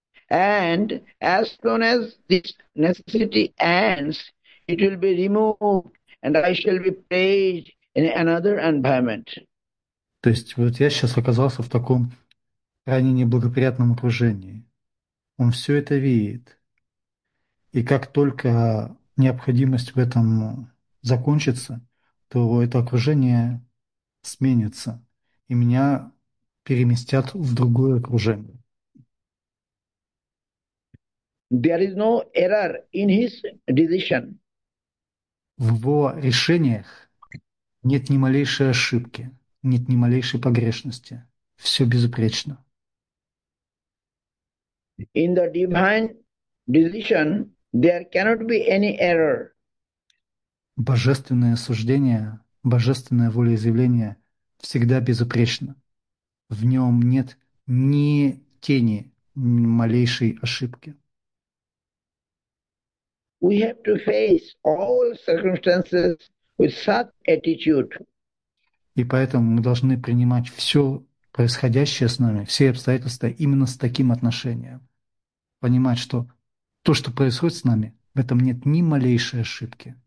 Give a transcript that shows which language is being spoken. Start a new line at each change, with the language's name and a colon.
English: And as soon as this necessity ends, it will be removed, and I shall be placed in another environment.
Russian: То есть вот я сейчас оказался в таком крайне неблагоприятном окружении. Он все это видит. И как только необходимость в этом закончится, то это окружение сменится, и меня переместят в другое окружение.
English: There is no error in his decision.
Russian: В его решениях нет ни малейшей ошибки. Нет ни малейшей погрешности. Все безупречно.
English: In the divine decision, there cannot be any error.
Russian: Божественное суждение, божественное волеизъявление всегда безупречно. В нем нет ни тени ни малейшей ошибки.
English: We have to face all circumstances with such attitude.
Russian: И поэтому мы должны принимать все происходящее с нами, все обстоятельства именно с таким отношением. Понимать, что то, что происходит с нами, в этом нет ни малейшей ошибки.